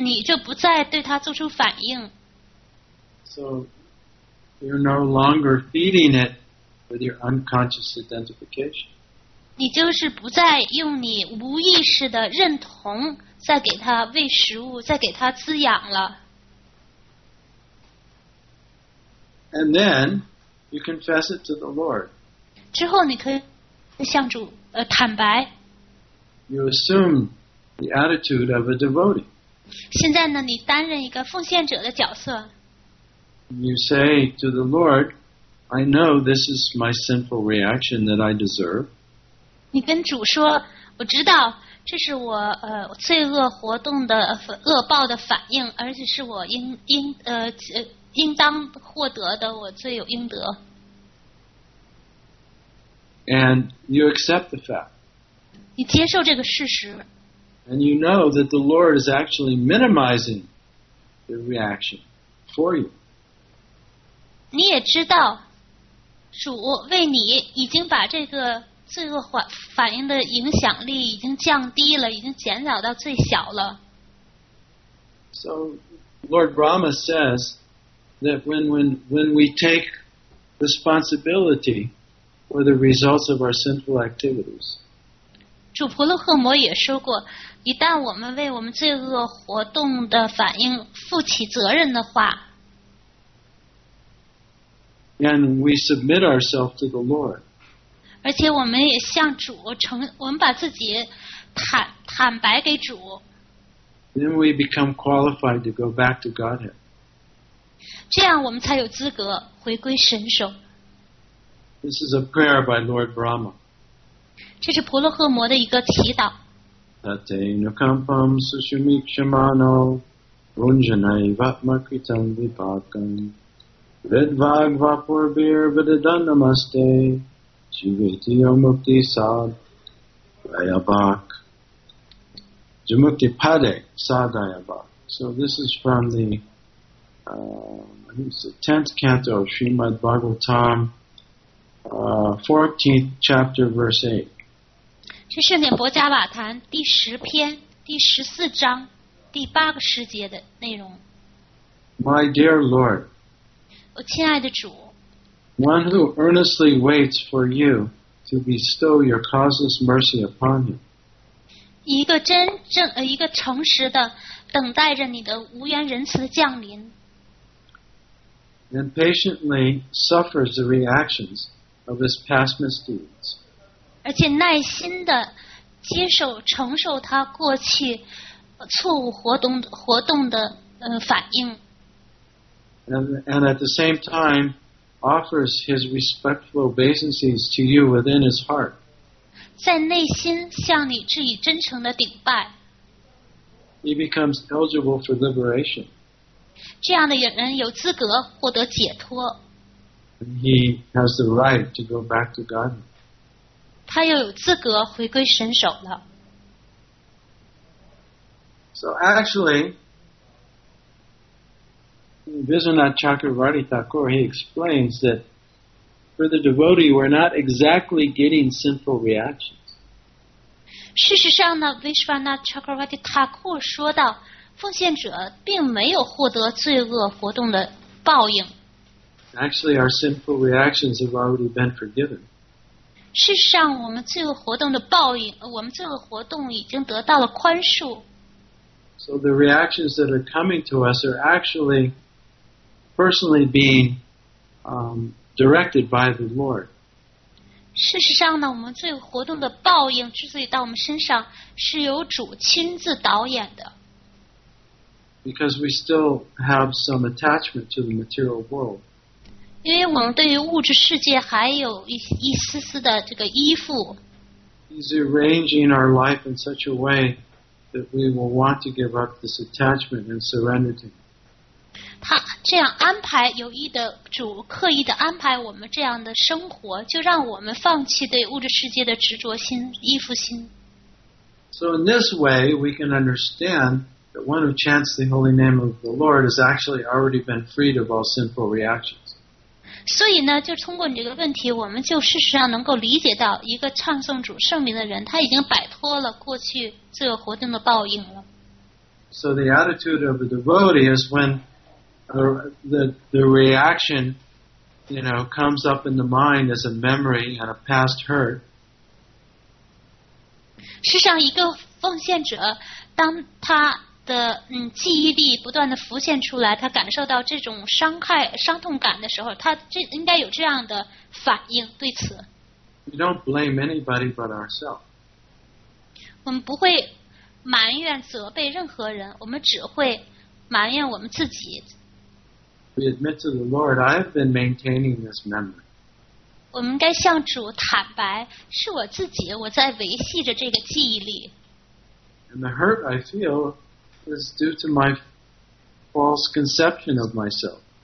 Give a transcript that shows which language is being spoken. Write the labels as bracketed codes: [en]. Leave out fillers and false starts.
[zh] 你就不再对它做出反应。 [en] So you're no longer feeding it with your unconscious identification. [zh] 你就是不再用你无意识的认同。再给他喂食物，再给他滋养了。 [en] And then you confess it to the Lord. [zh] 之后你可以向主坦白。 [en] You assume the attitude of a devotee. [zh] 现在呢，你担任一个奉献者的角色。 [en] You say to the Lord, "I know this is my sinful reaction that I deserve." [zh] 你跟主说，我知道。这是我罪恶活动的恶报的反应，而且是我应当获得的，我罪有应得。 [en] And you accept the fact. [zh] 你接受这个事实。 [en] And you know that the Lord is actually minimizing the reaction for you. [zh] 你也知道，主为你已经把这个。罪恶反应的影响力已经降低了，已经减少到最小了。 [en] So, Lord Brahma says that when we take responsibility for the results of our sinful activities, [zh] 主婆罗赫摩也说过，一旦我们为我们罪恶活动的反应负起责任的话 [en] ，and we submit ourselves to the Lord. [zh] 而且我们也向主承，我们把自己坦白给主。 [en] Then we become qualified to go back to Godhead. [zh] 这样我们才有资格回归神手。 [en] This is a prayer by Lord Brahma. [zh] 这是婆罗赫摩的一个祈祷。 [sa] Tate nukampam sushumikshamano unjanai vatmakritam vipakam vidvag vapurbir vidadandamaste. Jivati Yomukti Sad Dayabak Jumukti Pade Sad Dayabak. [en] So this is from the, I think it's the 10th canto of Srimad Bhagavatam, 14th chapter, verse 8. [zh] 是圣典伯加瓦坛第十篇第十四章第八个十节的内容。 [en] My dear Lord, [zh] 我亲爱的主， [en] one who earnestly waits for you to bestow your causeless mercy upon him. [zh] 一个真正一个诚实的等待着你的无缘仁慈的降临。 [en] And patiently suffers the reactions of his past misdeeds. [zh] 而且耐心地接受承受他过去错误活动的反应。 [en] And at the same time offers his respectful obeisances to you within his heart. [zh] 在内心向你致以真诚的顶拜。 [en] He becomes eligible for liberation. [zh] 这样的人有资格获得解脱。 [en] And he has the right to go back to God. [zh] 他又有资格回归神手了。 [en] So actually, Viswanath Chakravarti Thakur, he explains that for the devotee, we're not exactly getting sinful reactions. [zh] 事实上呢 Vishwanath Chakravarti Thakur 说到奉献者并没有获得罪恶活动的报应。 [en] Actually, our sinful reactions have already been forgiven. [zh] 事实上我们罪恶活动的报应我们罪恶活动已经得到了宽恕。 [en] So the reactions that are coming to us are actually personally being directed by the Lord. [zh] 事实上呢我们罪恶活动的报应之所以到我们身上是由主亲自导演的。 [en] Because we still have some attachment to the material world. [zh] 因为我们对于物质世界还有 一丝丝的这个依附。 [en] He's arranging our life in such a way that we will want to give up this attachment and surrender to him. [zh] 他这样安排有意的主刻意的安排我们这样的生活就让我们放弃对物质世界的执着心依附心。 [en] So in this way, we can understand that one who chants the holy name of the Lord has actually already been freed of all sinful reactions. [zh] 所以呢就通过你这个问题我们就事实上能够理解到一个唱诵主圣名的人他已经摆脱了过去罪恶活动的报应了。 [en] So the attitude of a devotee is when the reaction, you know, comes up in the mind as a memory and a past hurt. [zh] 实际上，一个奉献者，当他的记忆力不断的浮现出来，他感受到这种伤痛感的时候，他这应该有这样的反应对此。 [en] We don't blame anybody but ourselves. [zh] 我们不会埋怨责备任何人，我们只会埋怨我们自己。 [en] We admit to the Lord, I have been maintaining this memory. [zh] 我们该向主坦白，是我自己，我在维系着这个记忆力。 [en] And the hurt I feel is due to my false conception of myself.